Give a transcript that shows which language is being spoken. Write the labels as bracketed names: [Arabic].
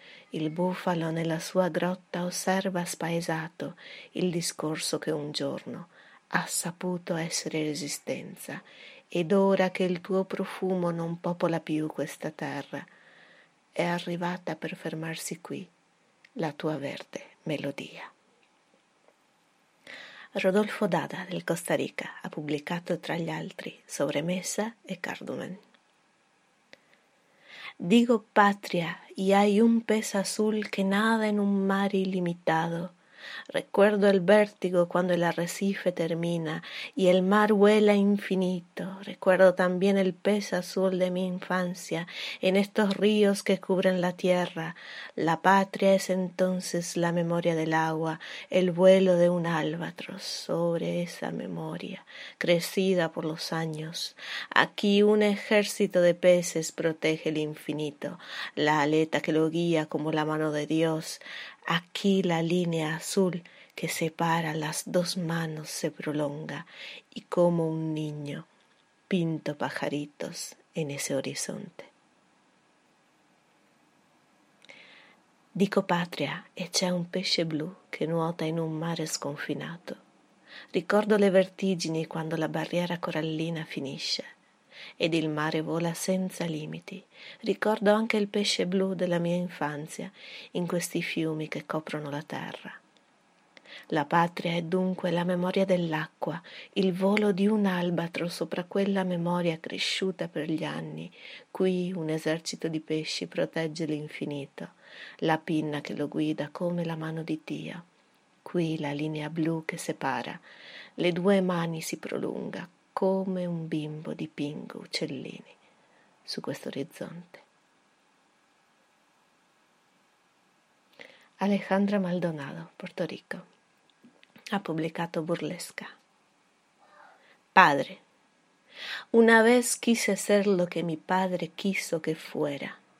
[Italian] Il bufalo nella sua grotta osserva spaesato il discorso che un giorno ha saputo essere resistenza, ed ora che il tuo profumo non popola più questa terra, è arrivata per fermarsi qui la tua verde melodia. Rodolfo Dada del Costa Rica ha pubblicato tra gli altri Sobremesa e Cardumen. [Spanish] Digo patria y hay un pez azul que nada en un mar ilimitado. Recuerdo el vértigo cuando el arrecife termina y el mar vuela infinito. Recuerdo también el pez azul de mi infancia en estos ríos que cubren la tierra. La patria es entonces la memoria del agua, el vuelo de un albatros sobre esa memoria, crecida por los años. Aquí un ejército de peces protege el infinito, la aleta que lo guía como la mano de Dios. Aquí la línea azul que separa las dos manos se prolonga y como un niño pinto pajaritos en ese horizonte. [Italian] Dico patria e c'è un pesce blu che nuota in un mare sconfinato. Ricordo le vertigini quando la barriera corallina finisce ed il mare vola senza limiti. Ricordo anche il pesce blu della mia infanzia in questi fiumi che coprono la terra. La patria è dunque la memoria dell'acqua, il volo di un albatro sopra quella memoria cresciuta per gli anni. Qui un esercito di pesci protegge l'infinito, la pinna che lo guida come la mano di Dio. Qui la linea blu che separa, le due mani si prolunga come un bimbo di pingo uccellini su questo orizzonte. Alejandra Maldonado, Puerto Rico, ha pubblicato Burlesca. [Spanish] Padre, una vez quise ser lo que mi padre quiso que fuera.